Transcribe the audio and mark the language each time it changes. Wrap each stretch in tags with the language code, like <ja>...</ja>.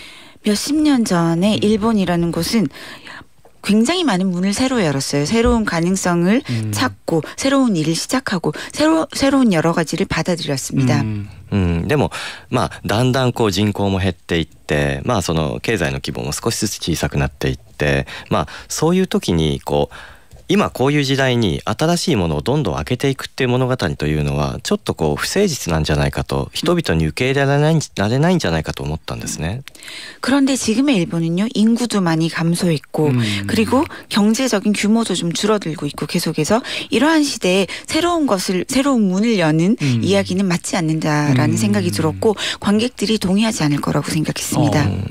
<ja>そうですね。おっしゃる通り、何年か前、あるいは何十年か前、日本というのはいろんなものをどんどん開けていったと思うんです。新しい可能性をどんどん開いていって、新しいものをどんどん作っていって、いろんなことを始めていった。そういう時代がありました。</ja> <ko>몇십년 전에 일본이라는 곳은 굉장히 많은 문을 새로 열었어요. 새로운 가능성을 찾고 새로운 일을 시작하고 새로운 여러 가지를 받아들였습니다.</ko> <ja>でも、だんだん人口も減っていって、その経済の規模も少しずつ小さくなっていって、そういう時に今こういう時代に新しいものをどんどん開けていくっていう物語というのはちょっと不誠実なんじゃないかと人々に受け入れられないんじゃないかと思ったんですね。</ja> <ko>그런데 지금의 일본은요, 인구도 많이 감소했고 그리고 경제적인 규모도 좀 줄어들고 있고 계속해서 이러한 시대에 새로운 문을 여는 이야기는 맞지 않는다라는 생각이 들었고 관객들이 동의하지 않을 거라고 생각했습니다.</ko>